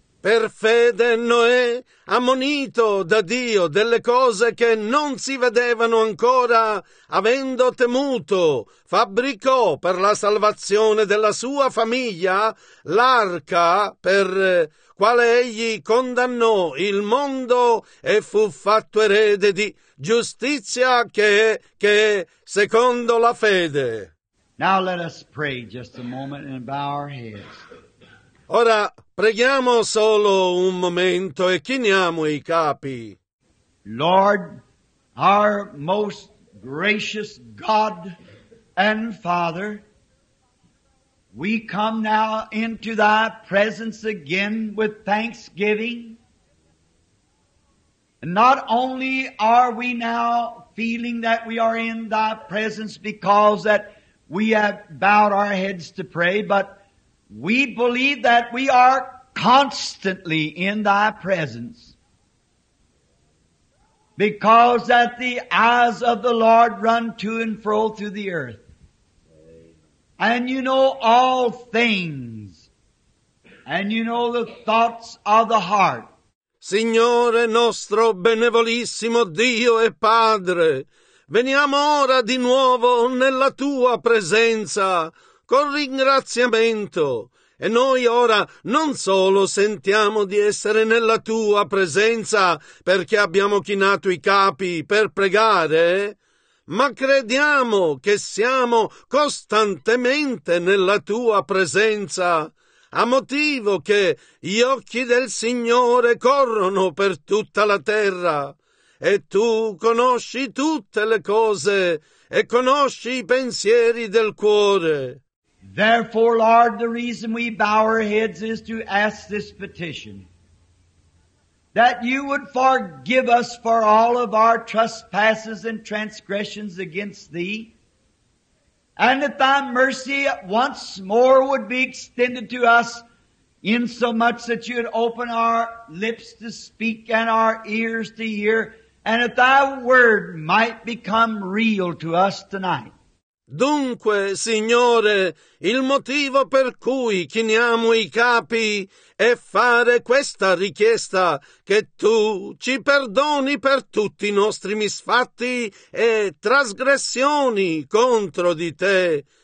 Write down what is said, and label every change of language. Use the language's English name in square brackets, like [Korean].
[Italian] Per fede Noè, ammonito da Dio delle cose che non si vedevano ancora, avendo temuto, fabbricò per la salvazione della sua famiglia l'arca per quale egli condannò il mondo e fu fatto erede di giustizia che secondo la fede. [English] Now let us pray just a moment and bow our heads. [Italian] Ora preghiamo solo un momento e chiniamo i capi. [English] Lord, our most gracious God and Father, we come now into thy presence again with thanksgiving. And not only are we now feeling that we are in thy presence because that we have bowed our heads to pray, but we believe that we are constantly in thy presence, because that the eyes of the Lord run to and fro through the earth, and you know all things, and you know the thoughts of the heart. [Italian] Signore nostro benevolissimo Dio e Padre, veniamo ora di nuovo nella tua presenza con ringraziamento. E noi ora non solo sentiamo di essere nella tua presenza perché abbiamo chinato i capi per pregare, ma crediamo che siamo costantemente nella tua presenza, a motivo che gli occhi del Signore corrono per tutta la terra e tu conosci tutte le cose e conosci i pensieri del cuore. [English] Therefore, Lord, the reason we bow our heads is to ask this petition, that you would forgive us for all of our trespasses and transgressions against thee, and that thy mercy once more would be extended to us, insomuch that you would open our lips to speak and our ears to hear, and that thy word might become real to us tonight. [Italian] Dunque, Signore, il motivo per cui chiniamo i capi è fare questa richiesta, che tu ci perdoni per tutti i nostri misfatti e trasgressioni contro di te,